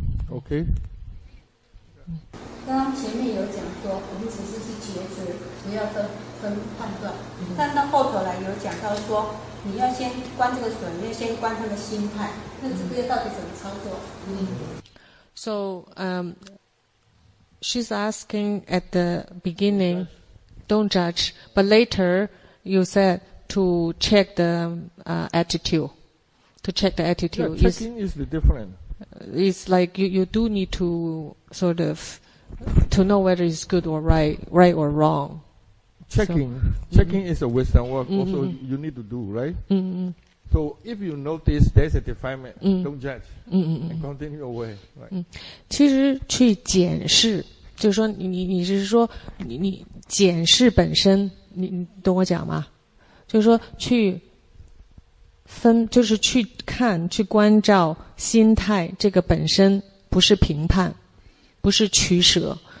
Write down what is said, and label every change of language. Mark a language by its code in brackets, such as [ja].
[zh] OK。刚刚前面有讲说我们只是去觉知，不要分判断，但到后头来有讲到说你要先观这个水，你要先观他的心态，那这个到底怎么操作？ [en] So she's asking at the beginning don't judge, but later you said to check the attitude, to check the attitude. Yeah, checking is the different. It's like you do need to sort of to know whether it's good or right or wrong. Checking is a wisdom work, also you need to do, right? Mm-hmm. So if you notice there's a defilement, don't judge. Mm-hmm. And continue your way, right? [zh] 其实去检视，就是说你是说你检视本身，你懂我讲吗？就是说去分，就是去看，去关照心态，这个本身不是评判，不是取舍。